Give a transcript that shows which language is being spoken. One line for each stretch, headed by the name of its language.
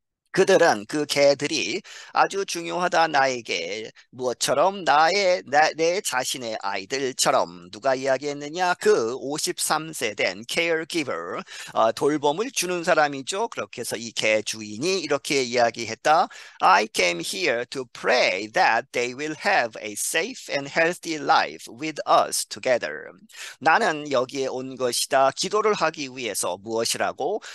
Korean: 그들은 그 개들이 아주 중요하다 나에게 무엇처럼 내 자신의 아이들처럼 누가 이야기했느냐 그 53세 된 caregiver 돌봄을 주는 사람이죠. 그렇게 해서 이개 주인이 이렇게 이야기했다.
English: I came here to pray that they will have a safe and healthy life with us together.
Korean: 나는 여기에 온 것이다. 기도를 하기 위해서 무엇이라고?